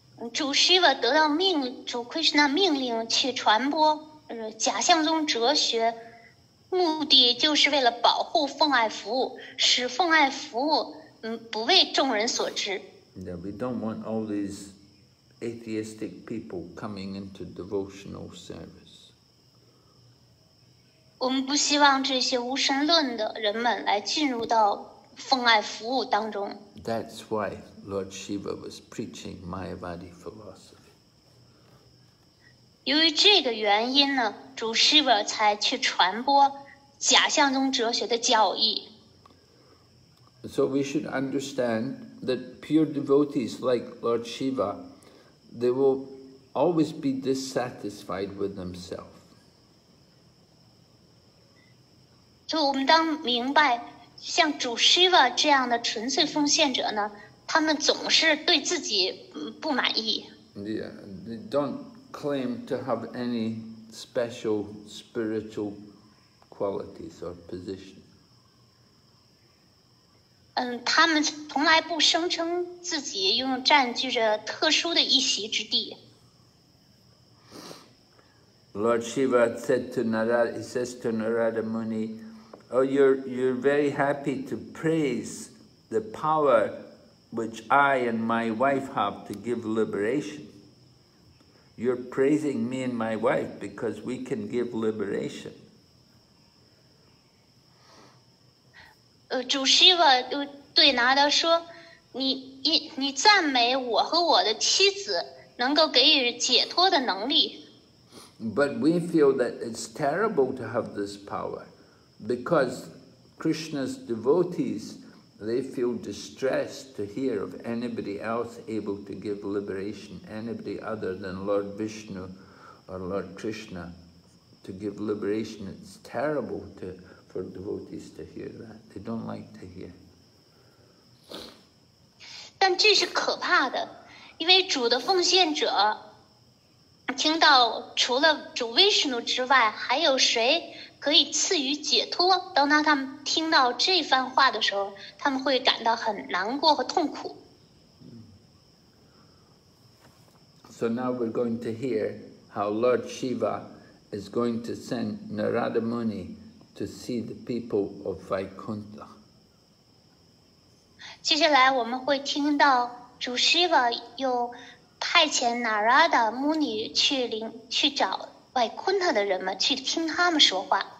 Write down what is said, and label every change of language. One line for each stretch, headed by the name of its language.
Chinese: 主 Shiva 得到主 Krishna 命令去传播假象宗哲学，目的就是为了保护奉爱服务，使奉爱服务不为众人所知。Yeah,
English: we don't want all these atheistic people coming into devotional service.
Chinese: 我们不希望这些无神论的人们来进入到奉爱服务当中。
English: That's why Lord Shiva was preaching Mayavadi philosophy.
Chinese: 由于这个原因呢，主 Shiva 才去传播假象中哲学的教义。
English: So we should understand that pure devotees like Lord Shiva, they will always be dissatisfied with themselves.
Chinese: 就我们当明白，像主 Shiva 这样的纯粹奉献者呢，他们总是对自己不满意。
English: Yeah, they don't claim to have any special spiritual qualities or position.
Chinese: 嗯，他们从来不声称自己拥占据着特殊的一席之地。
English: Lord Shiva said to Narada, he says to Narada Muni, "Oh, you're very happy to praise the power which I and my wife have to give liberation. You're praising me and my wife because we can give liberation."
Chinese: 主 Shiva 又对拿达说，你赞美我和我的妻子能够给予解脱的能力。
English: But we feel that it's terrible to have this power, because Krishna's devotees, they feel distressed to hear of anybody else able to give liberation, anybody other than Lord Vishnu or Lord Krishna to give liberation. It's terrible to, for devotees to hear that. They don't like to hear.
Chinese: 但这是可怕的，因为主的奉献者听到除了主 Vishnu 之外还有谁可以赐予解脱，当他们听到这番话的时候，他们会感到很难过和痛苦。
English: So now we're going to hear how Lord Shiva is going to send Narada Muni to see the people of Vaikuntha.
Chinese: 接下来我们会听到主 Shiva 又派遣 Narada Muni 去找 Vaikuntha 的人们，去听他们说话。